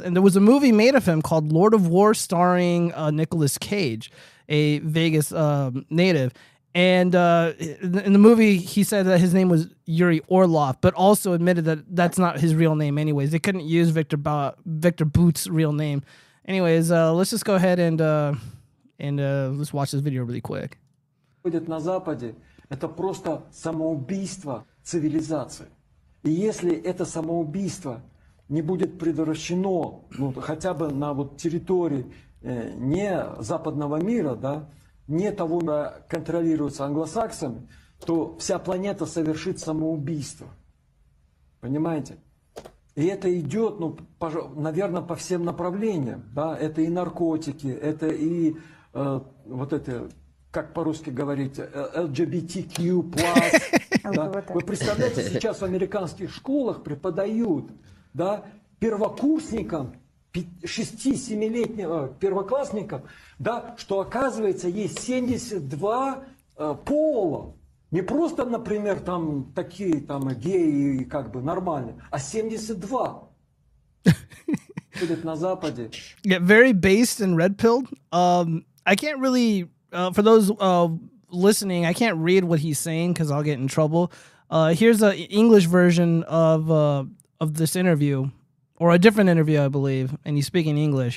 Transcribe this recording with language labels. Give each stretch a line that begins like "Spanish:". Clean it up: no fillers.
English: And there was a movie made of him called Lord of War starring Nicolas Cage, a Vegas native. And in the movie, he said that his name was Yuri Orlov, but also admitted that that's not his real name anyways. They couldn't use Victor Boot's real name. Anyways, let's just go ahead and let's watch this video really quick.
Russian: ...на Западе, это просто самоубийство цивилизации. И если это самоубийство не будет предотвращено, ну, хотя бы на вот территории не западного мира, да, не того, что контролируется англосаксами, то вся планета совершит самоубийство. Понимаете? И это идет, ну, наверное, по всем направлениям. Да? Это и наркотики, это и вот это, как по-русски говорить, LGBTQ+. Да? Вы представляете, сейчас в американских школах преподают, да, первокурсникам, 6-7-летнего первоклассника, да, что оказывается есть 72 пола. Не просто, например, там такие там геи как бы нормальные, а 72. Будет на Западе.
English: Yeah, very based and red-pilled. I can't really, for those listening, I can't read what he's saying because I'll get in trouble. Here's an English version of this interview. Or a different interview, I believe, and he's speaking English.